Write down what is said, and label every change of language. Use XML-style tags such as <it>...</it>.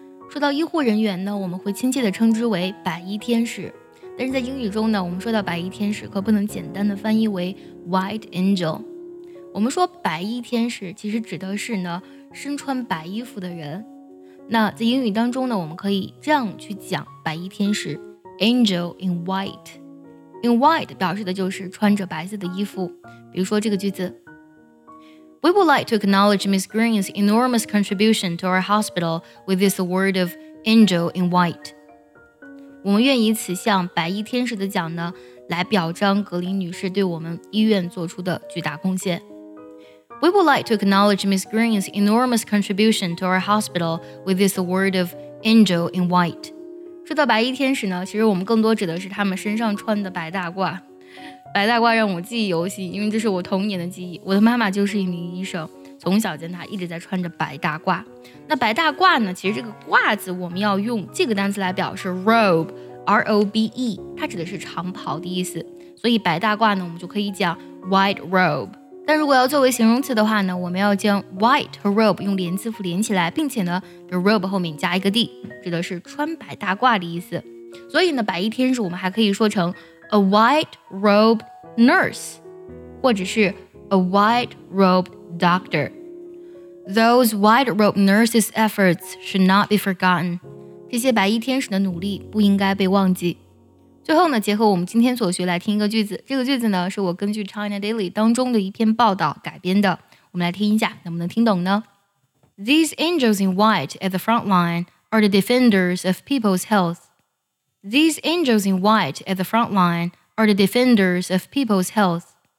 <zh>说到医护人员呢，我们会亲切地称之为白衣天使，但是在英语中呢，我们说到白衣天使可不能简单地翻译为 White Angel。我们说白衣天使其实指的是呢身穿白衣服的人。那在英语当中呢，我们可以这样去讲白衣天使 Angel in white。 In white 表示的就是穿着白色的衣服。比如说这个句子，</zh> <en>We would like to acknowledge Ms. Green's enormous contribution to our hospital with this award of Angel in white。</en> <zh>我们愿以此向白衣天使的奖呢来表彰格林女士对我们医院做出的巨大贡献。</zh> <en>We would like to acknowledge Ms. Green's enormous contribution to our hospital with this award of Angel in White。</en> <zh>说到白衣天使呢，其实我们更多指的是他们身上穿的白大褂。白大褂让我记忆犹新，因为这是我童年的记忆。我的妈妈就是一名医生，从小见她一直在穿着白大褂。那白大褂呢，其实这个褂子我们要用这个单词来表示 robe, R-O-B-E， 它指的是长袍的意思。所以白大褂呢，我们就可以讲 white robe。但如果要作为形容词的话呢，我们要将 white 和 robe 用连字符连起来，并且呢比如 robe 后面加一个 d， 指的是穿白大褂的意思。所以呢白衣天使我们还可以说成 a white robed nurse， 或者是 a white robed doctor。</zh> <en>Those white robed nurses efforts should not be forgotten，</en> <zh>这些白衣天使的努力不应该被忘记。最后呢，结合我们今天所学来听一个句子。这个句子呢是我根据 China Daily 当中的一篇报道改编的，我们来听一下能不能听懂呢。</zh> <en>These angels in white at the front line are the defenders of people's health. These angels in white at the front line are the defenders of people's health.</en>